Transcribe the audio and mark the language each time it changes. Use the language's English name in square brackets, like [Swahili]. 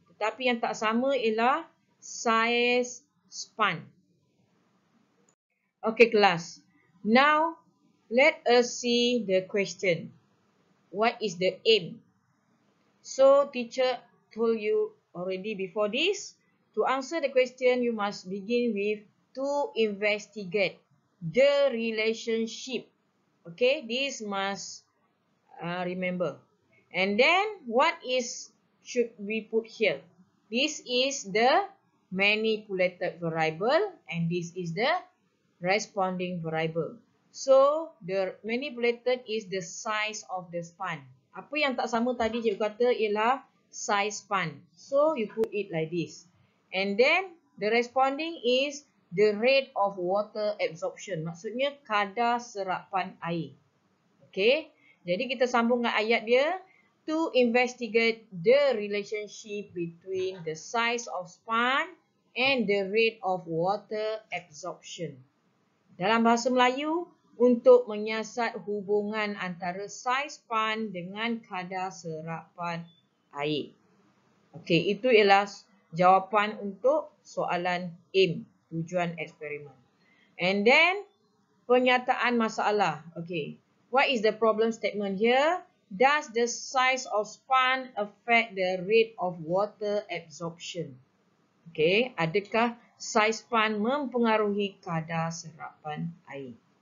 [Malay] Tetapi yang tak sama ialah saiz span. Okay, kelas. [English] Now, let us see the question. What is the aim? So, teacher told you already before this, to answer the question, you must begin with to investigate the relationship. Okay, this must remember. And then, what is should we put here? This is the manipulated variable and this is the responding variable. So, the manipulated is the size of the span. [Malay] Apa yang tak sama tadi cikgu kata ialah size span. [English] So, you put it like this. And then, the responding is the rate of water absorption. [Malay] Maksudnya, kadar serapan air. Okay. Jadi, kita sambung dengan ayat dia. [English] To investigate the relationship between the size of span and the rate of water absorption. [Malay] Dalam bahasa Melayu, untuk menyiasat hubungan antara saiz span dengan kadar serapan air. Okey, itu ialah jawapan untuk soalan aim, tujuan eksperimen. [English] And then, [Malay] penyataan masalah. [English] Okey, what is the problem statement here? Does the size of span affect the rate of water absorption? [Malay] Okey, adakah saiz span mempengaruhi kadar serapan air?